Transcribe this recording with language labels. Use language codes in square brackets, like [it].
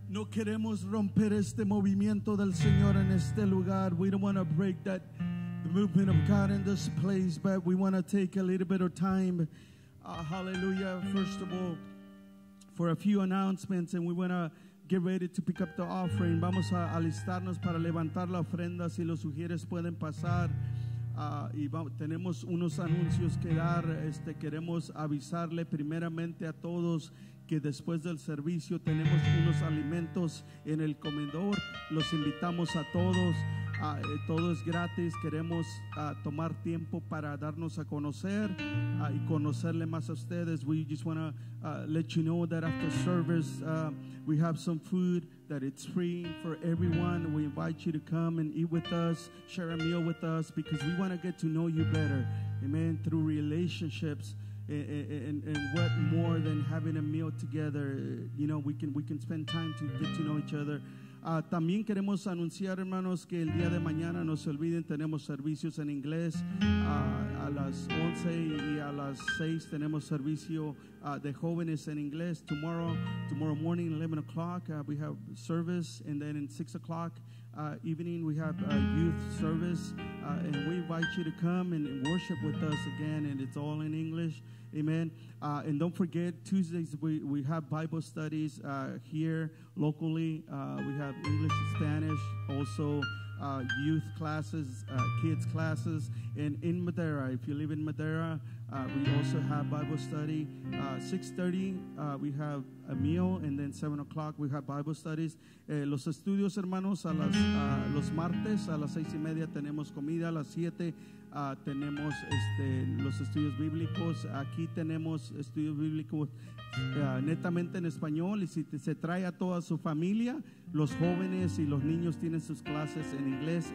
[es] Queremos romper este movimiento del Señor en este lugar. [en] We don't want to break that the movement of God in this place, but we want to take a little bit of time. Hallelujah. First of all, for a few announcements, and we want to get ready to pick up the offering. [es] Vamos a alistarnos para levantar la ofrenda. Si los sugieres pueden pasar. Y tenemos unos anuncios que dar. Queremos avisarle primeramente a todos que después del servicio tenemos unos alimentos en el comedor. Los invitamos a todos Todo es gratis. Queremos tomar tiempo para darnos a conocer y conocerle más a ustedes. [en] We just want to let you know that after service, we have some food that it's free for everyone. We invite you to come and eat with us, share a meal with us, because we want to get to know you better, amen, through relationships. And what more than having a meal together? You know, we can spend time to get to know each other. También queremos anunciar, hermanos, que el día de mañana, no se olviden, tenemos servicios en inglés a las 11 y a las 6 tenemos servicio de jóvenes en inglés. Tomorrow morning, 11 o'clock, we have service, and then in 6 o'clock evening, we have a youth service, and we invite you to come and worship with us again, and it's all in English. Amen. And don't forget, Tuesdays we have Bible studies here locally. We have English and Spanish, also youth classes, kids classes, and in Madeira. If you live in Madeira, we also have Bible study. 6:30 we have a meal, and then 7 o'clock we have Bible studies. [es] Los estudios, hermanos, a las los martes a las 6:30 tenemos comida. A las 7 tenemos los estudios bíblicos. Aquí tenemos estudios bíblicos netamente en español, y si se trae a toda su familia, los jóvenes y los niños tienen sus clases en inglés.